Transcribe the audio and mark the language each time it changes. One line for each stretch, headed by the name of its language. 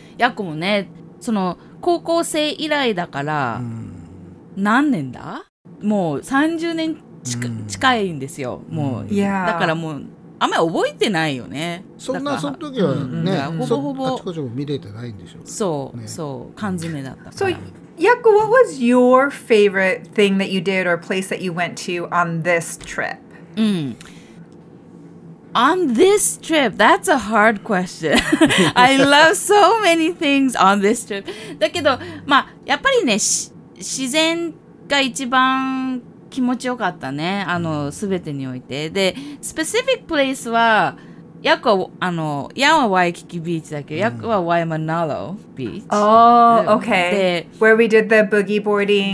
Japanese: ヤコもね、その高校生以来だから、何年だ？もう30年。近いんですよ、うん、もう、
English: yeah.
Japanese: だからもうあんまり覚えてないよね、そんなその時はね、うん、ほぼほぼあちこちも見れてないんでしょう、そう、ね、そう缶詰だったから。
English: So Yaku, what was your favorite thing that you did or place that you went to on this trip? うん、 On this trip, that's a hard question. I love so many things on this trip.
Japanese: だけどまあやっぱりね、自然が一番気持ちよかったね、あの全てにおいて、でスペシフィックプレイスはヤクはあのヤンはワイキキビーチだけど、うん、ヤクはワイマナロビーチ、
English: おー OK、 で Where we did the boogie boarding、